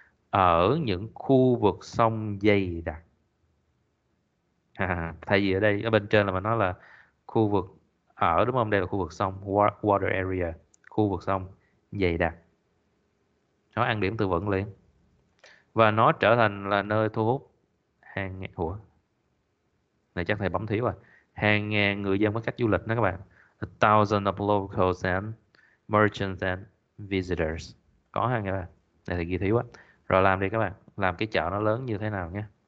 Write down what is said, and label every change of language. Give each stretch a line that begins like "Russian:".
Vietnamese: Ở những khu vực sông dày đặc. À, thay vì ở đây, ở bên trên là mình nói là khu vực ở đúng không? Đây là khu vực sông, water area, khu vực sông dày đặc. Nó ăn điểm từ vựng liền. Và nó trở thành là nơi thu hút hàng ngàn, ủa? Này chắc thầy bấm thiếu rồi. Hàng ngàn người dân với khách du lịch đó các bạn.
English: A thousand of locals and merchants and visitors.
Vietnamese: Có hàng ngàn. Này thì ghi thiếu á. Rồi làm đi các bạn. Làm cái chợ nó lớn như thế nào nhé.